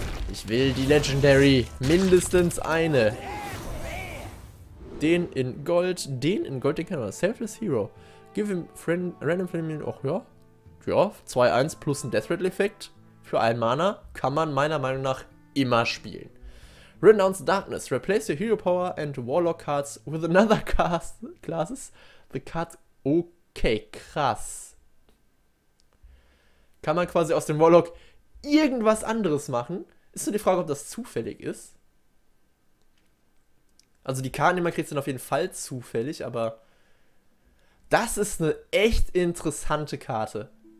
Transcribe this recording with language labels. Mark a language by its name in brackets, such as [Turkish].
[German] Ich will die Legendary. Mindestens eine. Den in Gold. Den kennen wir. Selfless Hero. [English] Give him friend, random friend. [German] Ach ja. Ja, 2-1 plus ein Deathrattle-Effekt für ein Mana kann man meiner Meinung nach immer spielen. [English] Renounce Darkness. Replace your Hero Power and Warlock Cards with another classes. The cards. [German] Okay, krass. Kann man quasi aus dem Warlock irgendwas anderes machen? Ist nur die Frage, ob das zufällig ist. Also die Karten, die man kriegt, sind auf jeden Fall zufällig, aber das ist eine echt interessante Karte.